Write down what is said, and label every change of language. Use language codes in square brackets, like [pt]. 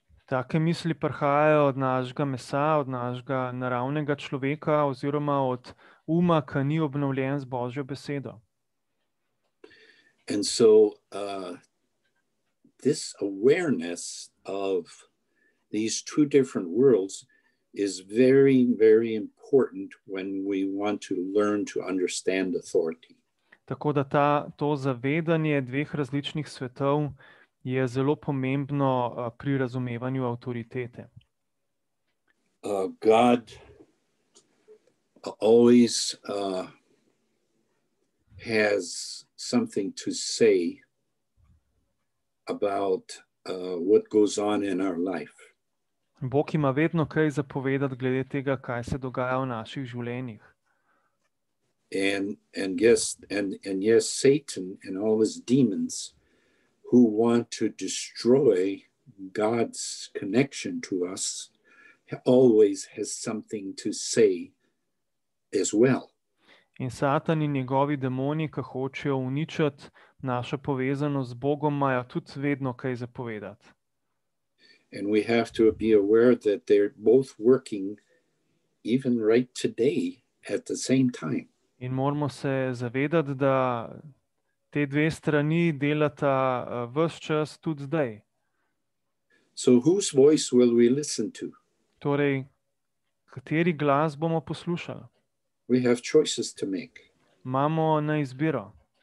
[sl] Take misli prihajajo od našega mesa, od našega naravnega človeka oziroma od uma, ki ni obnovljen z Božjo besedo. [en] And so this awareness of these two different worlds is very, very important when we want to learn to understand authority. [sl] Tako da to zavedanje dveh različnih svetov je zelo pomembno pri razumevanju avtoritete. [en] God always has something to say about what goes on in our life. [sl] Bog ima vedno kaj zapovedati glede tega, kaj se dogaja v naših življenjih. [en] And yes, Satan and all his demons who want to destroy God's connection to us always has something to say as well. [sl] In Satan in njegovi demoni, ki hočejo uničiti našo povezanost z Bogom, imajo tudi vedno kaj zapovedati. [en] And we have to be aware that they're both working even right today at the same time. [sl] In moramo se zavedati, da te dve strani delata ves čas tudi zdaj. [en] So whose voice will we listen to? [sl] Torej, kateri glas bomo poslušali? [en] We have choices to make. [sl] Imamo na izbiro.